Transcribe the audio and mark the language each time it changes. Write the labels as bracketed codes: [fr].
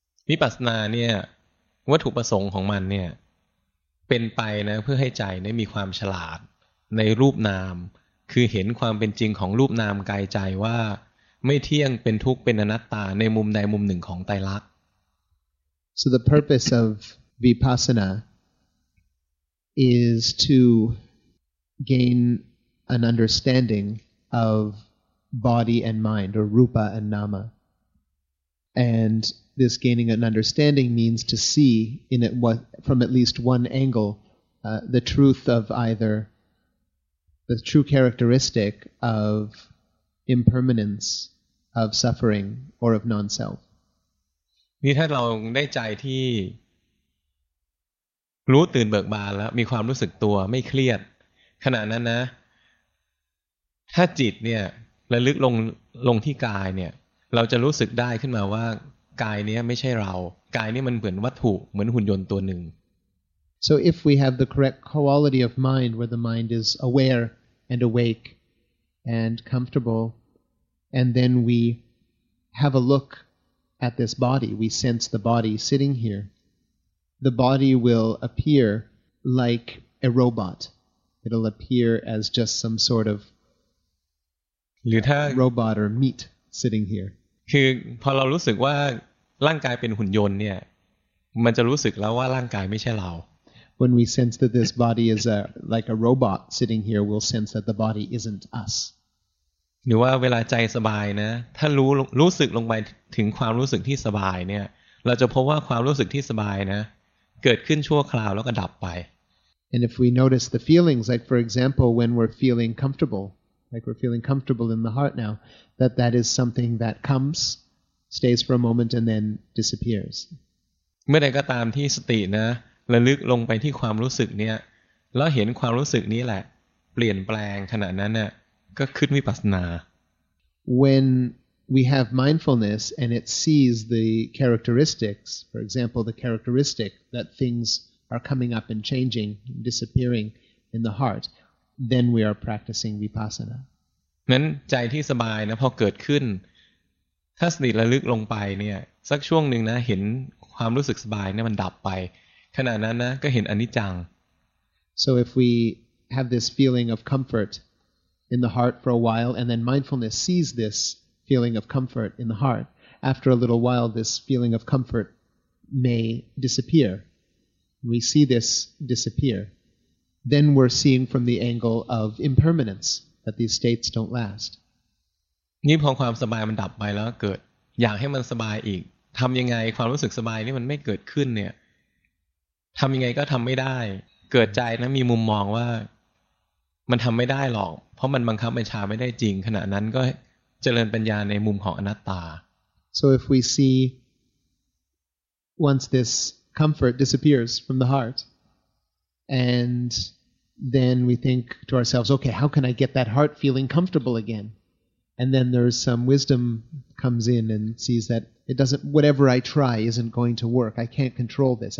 [th] วิปัสสนาเนี่ยวัตถุประสงค์ของมันเนี่ยเป็นไปนะเพื่อให้ใจเนี่ยมีความฉลาดในรูปนามคือเห็นความเป็นจริงของรูปนามกายใจว่าไม่เที่ยงเป็นทุกข์เป็นอนัตตาในมุมใดมุมหนึ่งของไตรลักษณ์ [en] So the purpose of vipassana is to gain an understanding of body and mind or rupa and nama andThis gaining an understanding means to see in it what, from at least one angle the truth of either the true characteristic of impermanence of suffering or of non-self. [th] นี่ถ้าเราได้ใจที่รู้ตื่นเบิกบานแล้วมีความรู้สึกตัวไม่เครียดขณะนั้นนะถ้าจิตเนี่ยระลึกลงที่กายเนี่ยเราจะรู้สึกได้ขึ้นมาว่ากายเนี้ยไม่ใช่เรากายเนี้ยมันเหมือนวัตถุเหมือนหุ่นยนต์ตัวหนึ่ง [en] So if we have the correct quality of mind where the mind is aware and awake and comfortable and then we have a look at this body we sense the body sitting here the body will appear like a robot it'll appear as just some sort of robot or meat sitting here [th] คือพอเรารู้สึกว่าร่างกายเป็นหุ่นยนต์เนี่ยมันจะรู้สึกแล้วว่าร่างกายไม่ใช่เรา [en] When we sense that this body is a like a robot sitting here we'll sense that the body isn't us [th] หรือว่าเวลาใจสบายนะถ้ารู้สึกลงไปถึงความรู้สึกที่สบายเนี่ยเราจะพบว่าความรู้สึกที่สบายนะเกิดขึ้นชั่วคราวแล้วก็ดับไป [en] And if we notice the feelings like for example when we're feeling comfortableLike we're feeling comfortable in the heart now, that is something that comes, stays for a moment, and then disappears. [th] เมื่อใดก็ตามที่สตินะระลึกลงไปที่ความรู้สึกเนี่ยแล้วเห็นความรู้สึกนี้แหละเปลี่ยนแปลงขณะนั้นน่ะก็ขึ้นวิปัสสนา [en] When we have mindfulness and it sees the characteristics, for example, the characteristic that things are coming up and changing, disappearing in the heart,then we are practicing vipassana [th] นั้นใจที่สบายนะพอเกิดขึ้นถ้าสติระลึกลงไปเนี่ยสักช่วงนึงนะเห็นความรู้สึกสบายเนี่ยมันดับไปขณะนั้นนะก็เห็นอนิจจัง [en] so if we have this feeling of comfort in the heart for a while and then mindfulness sees this feeling of comfort in the heart after a little while this feeling of comfort may disappear we see this disappearthen we're seeing from the angle of impermanence that these states don't last [th] นี่พอความสบายมันดับไปแล้วเกิดอยากให้มันสบายอีกทำยังไงความรู้สึกสบายนี่มันไม่เกิดขึ้นเนี่ยทำยังไงก็ทำไม่ได้เกิดใจนะมีมุมมองว่ามันทำไม่ได้หรอกเพราะมันบังคับบัญชาไม่ได้จริงขณะนั้นก็เจริญปัญญาในมุมของอนัตตา [en] so if we see once this comfort disappears from the heartAnd then we think to ourselves, okay, how can I get that heart feeling comfortable again? And then there's some wisdom comes in and sees that it doesn't, whatever I try isn't going to work. I can't control this.